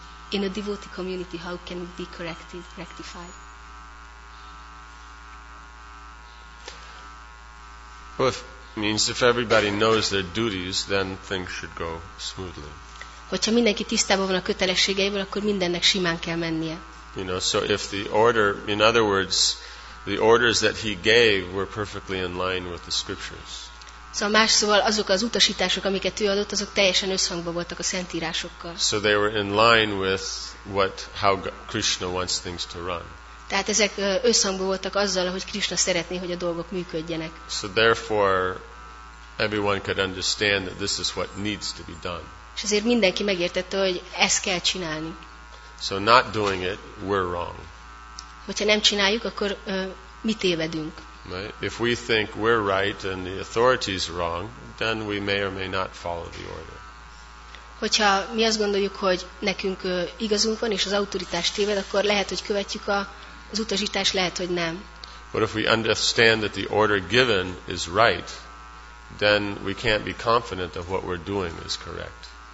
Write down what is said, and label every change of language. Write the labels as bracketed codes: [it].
[en] In a devotee community, how can it be corrected, rectified? Well, if everybody knows their duties, then things should go smoothly. [hu] Hogyha mindenki tisztában van a kötelességeivel, akkor mindennek simán kell mennie. [en] You know, so if the order, in other words, the orders that he gave were perfectly in line with the scriptures. [hu] Szóval más szóval azok az utasítások, amiket ő adott, azok teljesen összhangban voltak a szentírásokkal. [en] So they were in line with how Krishna wants things to run. [hu] Tehát ezek összhangban voltak azzal, hogy Krishna szeretné, hogy a dolgok működjenek. [en] So therefore everyone could understand that this is what needs to be done. [hu] És ezért mindenki megértette, hogy ezt kell csinálni. [en] So not doing it, we're wrong. [hu] Hogyha nem csináljuk, akkor mi tévedünk. [en] Right? If we think we're right and the authority is wrong, then we may or may not follow the order. [hu] Hogyha mi azt gondoljuk, hogy nekünk igazunk van és az autoritás téved, akkor lehet, hogy követjük az utasítást, lehet, hogy nem. [en] But if we understand that the order given is right, then we can't be confident that what we're doing is correct.